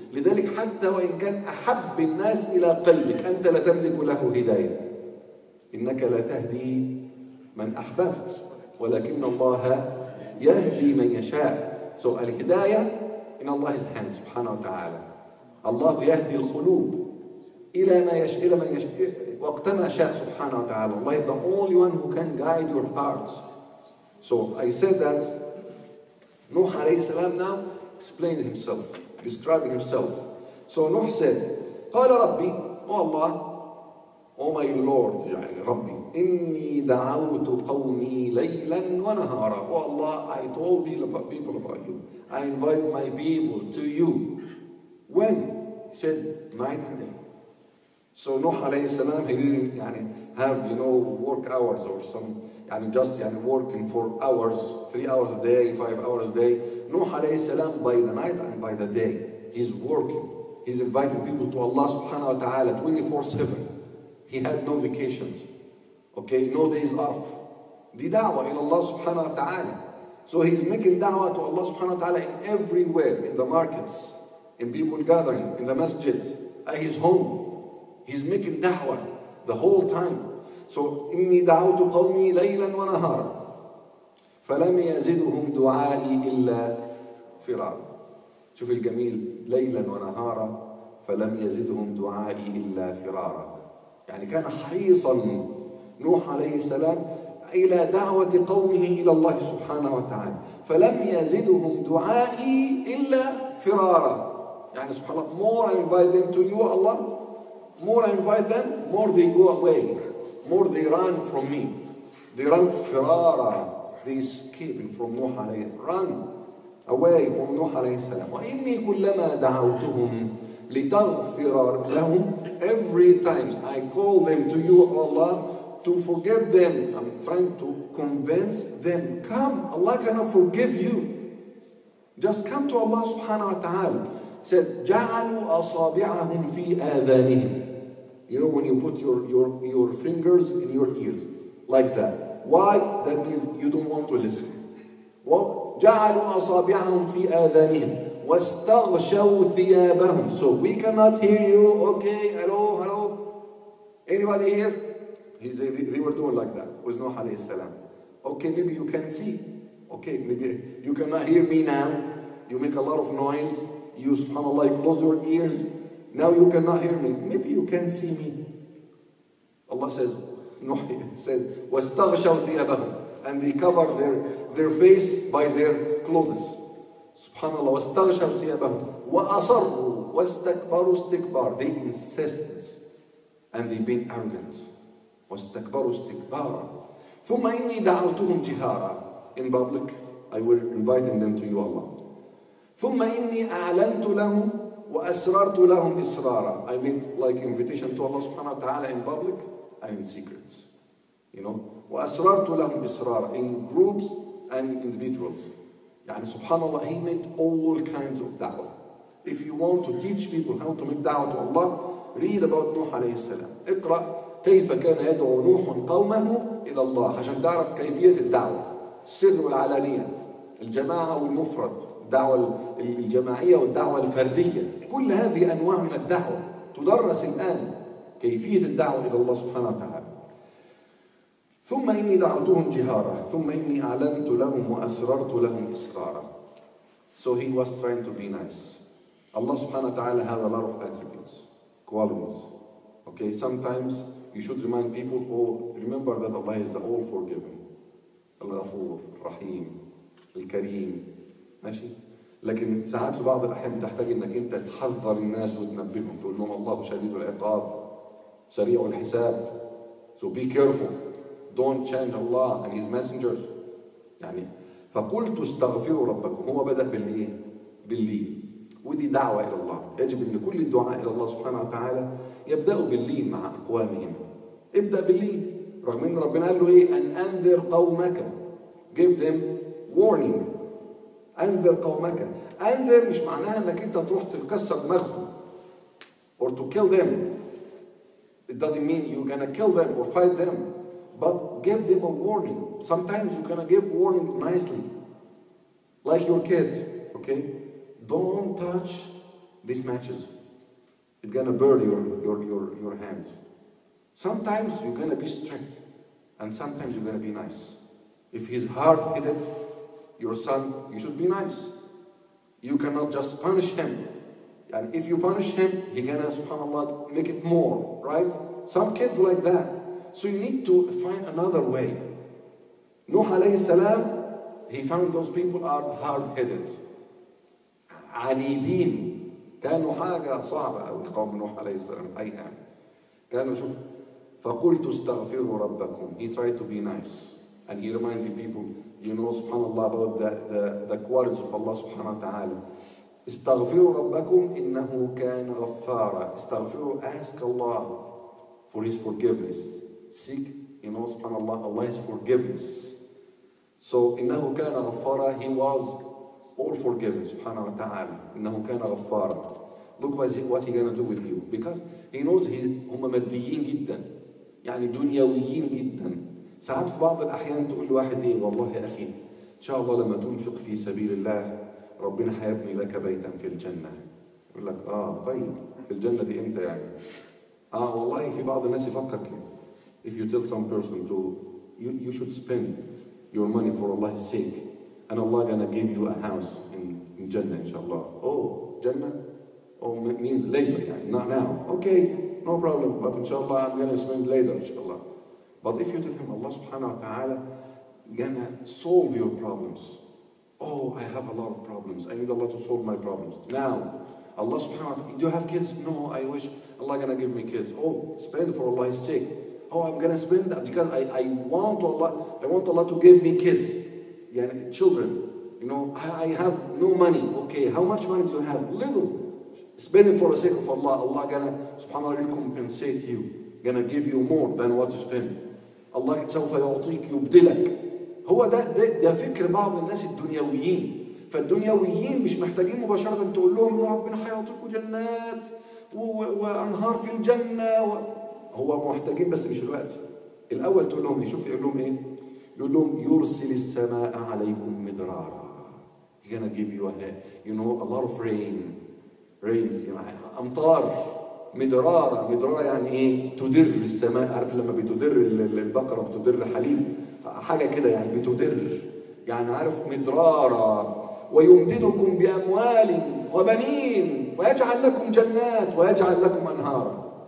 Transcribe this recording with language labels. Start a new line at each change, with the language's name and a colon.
Arabic: لذلك حتى وإن كان أحب الناس إلى قلبك، أنت لا تملك له هداية، إنك لا تهدي من أحببت، ولكن الله يهدي من يشاء. سؤال الهداية إن الله سبحانه وتعالى، الله يهدي القلوب إلى ما يشاء، إلى من يشاء وقتما شاء سبحانه وتعالى.
English: الله is the only one who can guide your hearts. So I said that
Arabic: نوح عليه السلام
English: now explained himself, describing himself.
Arabic: So نوح said, قال ربي، oh الله،
English: oh my lord،
Arabic: يعني ربي، إني دعوت قومي ليلا ونهارا.
English: Oh Allah, I told people about you. I invite my people to you. When? He said, night and day. So نوح عليه السلام he didn't يعني have you know work hours or some يعني just يعني working for hours, 3 hours a day, 5 hours a day.
Arabic: نوح عليه السلام
English: by the night and by the day he's working. He's inviting people to Allah
Arabic: سبحانه وتعالى
English: 24/7. He had no vacations. Okay, no days off.
Arabic: دي دعوة إلى الله سبحانه وتعالى.
English: So he's making دعوة to Allah
Arabic: سبحانه وتعالى
English: in everywhere, in the markets, in people gathering, in the masjid, at his home. He's making da'wa the whole time.
Arabic: So إني دعوت قومي ليلا ونهارا فلم يزدهم دعائي إلا فرارا. شوف الجميل، ليلا ونهارا فلم يزدهم دعائي إلا فرارا. يعني كان حريصا نوح عليه السلام إلى دعوة قومه إلى الله سبحانه وتعالى، فلم يزدهم دعائي إلا فرارا. يعني سبحان الله،
English: more I invite them to you Allah, more I invite them, more they go away, more they run from me. They run فرارا. They escaping from
Arabic: نوح عليه السلام.
English: Run away from
Arabic: نوح عليه السلام. وإني كلما دعوتهم لتغفر لهم.
English: Every time I call them to you Allah to forgive them, I'm trying to convince them, come, Allah cannot forgive you. Just come to Allah subhanahu wa ta'ala.
Arabic: Said, جعلوا أصابعهم في آذانهم.
English: You know when you put your fingers in your ears like that. Why? That means you don't want to listen.
Arabic: Well, جعلوا أصابعهم في آذانهم واستغشوا ثيابهم.
English: So we cannot hear you. Okay, hello, hello. Anybody here? They were doing like that with Nuh alayhi salam. Okay, maybe you can see. Okay, maybe you cannot hear me now. You make a lot of noise. You, subhanAllah, close your ears. Now you cannot hear me. Maybe you can see me. Allah says, Nuh says,
Arabic: وَاسْتَغْشَوْ ثِيَابَهُمْ.
English: And they cover their face by their clothes.
Arabic: SubhanAllah, وَاسْتَغْشَوْ ثِيَابَهُمْ. وَأَصَرُوا وَاسْتَكْبَرُوا اسْتِكْبَارُ.
English: They insisted. And they've been arrogant.
Arabic: وَاسْتَكْبَرُوا اسْتِكْبَارًا. ثُمَّ إِنِّي دَعَوْتُهُمْ جِهَارًا.
English: In public, I will invite them to you, Allah.
Arabic: ثُمَّ إِنِّي أَعْلَنْتُ لَهُمْ وَأَسْرَرْتُ لَهُمْ إِسْرَارًا.
English: I made like invitation to Allah subhanahu wa ta'ala in public and in secret. You know?
Arabic: وَأَسْرَرْتُ لَهُمْ إِسْرَارًا.
English: In groups and individuals. يعني subhanAllah, he made all kinds of da'wah. If you want to teach people how to make da'wah to Allah, read about Nuh alayhi salam.
Arabic: اقرأ كيف كان يدعو نوح قومه إلى الله عشان تعرف كيفية الدعوة، السر والعلانية، الجماعة والمفرد، الدعوة الجماعية والدعوة الفردية. كل هذه أنواع من الدعوة تدرس الآن كيفية الدعوة إلى الله سبحانه وتعالى. ثم إني دعوتهم جهارا ثم إني أعلنت لهم وأسررت لهم إسرارا.
English: So he was trying to be nice.
Arabic: الله سبحانه وتعالى
English: has a lot of attributes, qualities. Okay, sometimes you should remind people, oh, remember that Allah is the all-forgiving.
Arabic: Al-Ghafoor, Rahim, Al-Kareem. ماشي؟ لكن ساعات في بعض الأحيان بتحتاج إنك أنت تحذر الناس وتنبههم، تقول لهم الله شديد العقاب، سريع الحساب.
English: So be careful. Don't change Allah and His messengers.
Arabic: يعني فقلت استغفروا ربكم. هو بدأ بالإيه؟ باللين. ودي دعوة إلى الله. يجب أن كل الدعاء إلى الله سبحانه وتعالى يبدأوا باللين مع أقوامهم. ابدأ باللين. رغم أن ربنا قال له إيه؟ أن أنذر قومك.
English: Give them warning.
Arabic: أنذر قومك. أنذر مش معناها أنك أنت تروح تكسر دماغهم.
English: Or to kill them. It doesn't mean you're gonna kill them or fight them. but give them a warning. Sometimes you can give warning nicely, like your kid, okay? Don't touch these matches. It's gonna burn your hands. Sometimes you're gonna be strict, and sometimes you're gonna be nice. If he's hard-headed, your son, you should be nice. You cannot just punish him. And if you punish him, he gonna, subhanAllah, make it more, right? Some kids like that. So you need to find another way. Nuh alayhi salam, he found those people are hard-headed.
Arabic: عنيدين كانوا حاجة صعبة أو قوم نوح عليه السلام أي أم كانوا شوف فقلت استغفروا ربكم.
English: He tried to be nice and he reminded the people, you know,
Arabic: سبحان الله,
English: about the qualities of Allah
Arabic: سبحانه وتعالى. استغفروا ربكم إنه كان غفارا.
English: استغفروا, ask Allah for his forgiveness. Seek, you know, سبحان الله, Allah's forgiveness. So
Arabic: إنه كان غفارا,
English: he was all forgiven, subhanahu wa ta'ala.
Arabic: إِنَّهُ كَانَ غَفَّارًا.
English: Look what he gonna do with you. Because he knows
Arabic: هم مديين جدا. يعني دنيويين جدا. ساعات في بعض الأحيان تقول لواحد إيه, والله يا أخي إن شاء الله لما تنفق في سبيل الله ربنا حيبني لك بيتا في الجنة. يقول لك آه طيب في الجنة دي إمتى يعني؟ آه والله في بعض الناس يفكر كده.
English: If you tell some person to you should spend your money for Allah's sake, and Allah gonna give you a house in Jannah, inshallah. Oh, Jannah? Oh, means later, not now. Okay, no problem, but inshallah, I'm gonna spend later, inshallah. But if you tell him, Allah subhanahu wa ta'ala gonna solve your problems. Oh, I have a lot of problems. I need Allah to solve my problems. Now, Allah subhanahu wa ta'ala, do you have kids? No, I wish Allah gonna give me kids. Oh, spend for Allah's sake. Oh, I'm gonna spend that because I want Allah to give me kids. يعني children, you know, I have no money. Okay, how much money do you have? Little. Spend it for the sake of Allah. Allah gonna, subhanAllah, recompensate you. Gonna give you more than what you spend.
Arabic: Allah سوف يعطيك يبدلك. هو ده فكر بعض الناس الدنيويين. فالدنيويين مش محتاجين مباشرة تقول لهم إن ربنا حيعطيكوا جنات وأنهار في الجنة. هو محتاجين بس مش الوقت. الأول تقول لهم, يشوف يقول لهم إيه؟ يقول لهم يرسل السماء عليكم مدرارا.
English: He gonna give you a, you know, a lot of rains, you know, أمطار.
Arabic: مدرارا يعني إيه؟ تدر السماء. عارف لما بتدر البقرة بتدر حليب حاجة كده, يعني بتدر, يعني عارف, مدرارا. ويمددكم بأموال وبنين ويجعل لكم جنات ويجعل لكم أنهار.